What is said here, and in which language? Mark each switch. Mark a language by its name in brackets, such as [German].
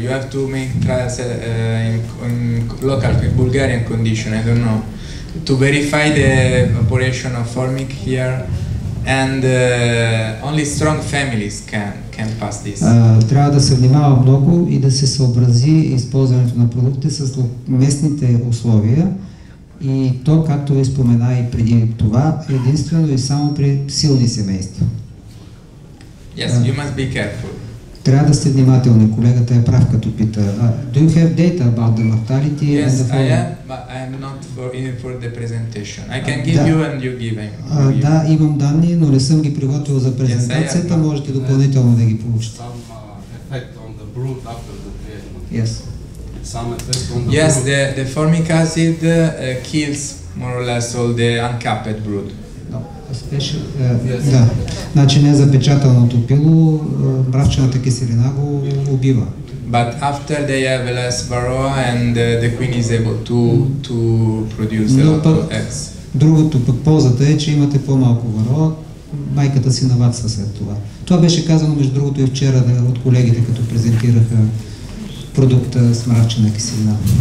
[English] You have to make trials in local, in Bulgarian condition, I don't know. To verify the operation of formic here, and only strong families can pass this. [Bulgarian] Трябва да се внимава много и да се съобрази използването на продукти с местните условия. И то, както ви спомена и преди това, единствено и само при силни семейства. [English] Yes, you must be careful. [Bulgarian] Трябва да сте внимателни, колегата е прав като пита. [English] Do you have data about the mortality yes, and the form? Yes, I am, but I am not for the presentation. I can give you and you give him. [Bulgarian] Да, имам данни, но не съм ги приготвил за презентацията, [English] yes, [Bulgarian] можете допълнително да ги получите. [English] Some effect on the brood after the treatment. Yes. Yes, the formic acid kills more or less all the uncapped brood. No, especially. Yes. [Bulgarian] Да. Значи не запечатаното пило, мравчената киселина го убива. [English] But after they have less varroa and the queen is able to produce a lot of eggs. [Bulgarian] Другото пък ползата е, че имате по-малко варроа, майката си навацва след това. Това беше казано между другото и вчера от колегите, като презентираха продукта с мравчена киселина.